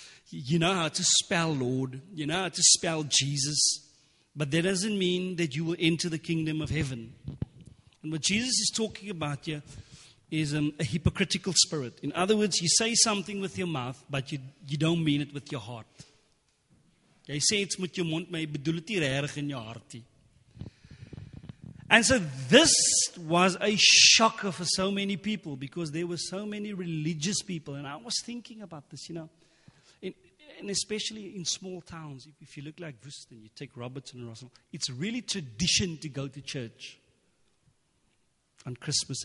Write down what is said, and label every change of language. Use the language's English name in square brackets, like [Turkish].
[English] You know how to spell Lord. You know how to spell Jesus. But that doesn't mean that you will enter the kingdom of heaven. And what Jesus is talking about here is a hypocritical spirit. In other words, you say something with your mouth, but you don't mean it with your heart. [Afrikaans] Jy sê iets met jou mond, maar jy bedoel dit nie regtig in jou hartie. [English] And so this was a shocker for so many people because there were so many religious people. And I was thinking about this, you know. And especially in small towns, if you look like Wust and you take Robertson and Russell, it's really tradition to go to church on Christmas.